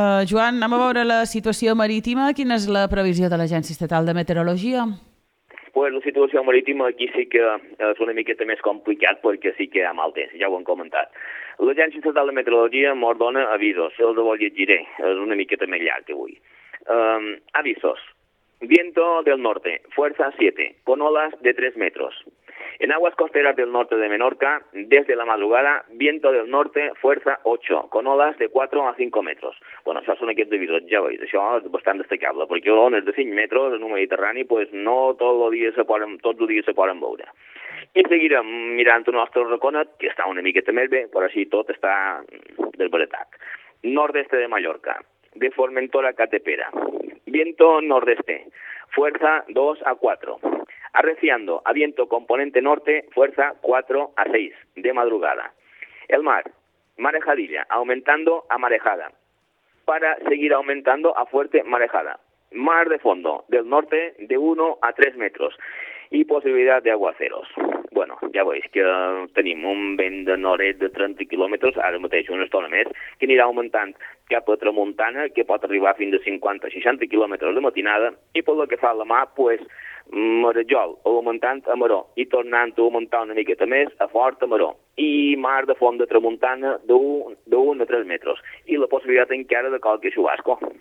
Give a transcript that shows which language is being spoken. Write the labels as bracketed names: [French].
[Catalan] Joan, anem a veure la situació marítima. Quina és la previsió de l'Agència Estatal de Meteorologia? Pues la situació marítima aquí sí que és una miqueta més complicat perquè sí que hi ha mal temps, ja ho han comentat. L'Agència Estatal de Meteorologia m'ordona avisos, els ho llegiré, és una miqueta més llarg que avui. Avisos. [Spanish] Viento del norte, fuerza 7, con olas de 3 metros. En aguas costeras del norte de Menorca, desde la madrugada, viento del norte, fuerza 8, con olas de 4 a 5 metros. [Catalan] Bueno, això són aquests avisos, ja veus, això és bastant destacable, perquè ones de 5 metres en un Mediterrani, pues no tot el dia se poden veure. I seguirem mirant el nostre raconet, que està una miqueta més bé, però així tot està desbaratat. Nord-est de Mallorca, de Formentora a Catepera. [Spanish] Viento nordeste, fuerza 2 a 4. Arreciando a viento componente norte, fuerza 4 a 6 de madrugada. El mar, marejadilla, aumentando a marejada. Para seguir aumentando a fuerte marejada. Mar de fondo, del norte, de 1 a 3 metros. Y posibilidad de aguaceros. [Catalan] bueno, ja veus que tenim un vent de nord-est de 30 quilòmetres, ara mateix una estona més, que anirà augmentant cap a tramuntana, que pot arribar fins a 50-60 quilòmetres de matinada, i pel que fa a la mà, doncs, pues, marejol, augmentant a maró, i tornant a augmentar una miqueta més, a fort a maró, i mar de fons de tramuntana d'un a 3 metres, i la possibilitat encara de qualque xubasco.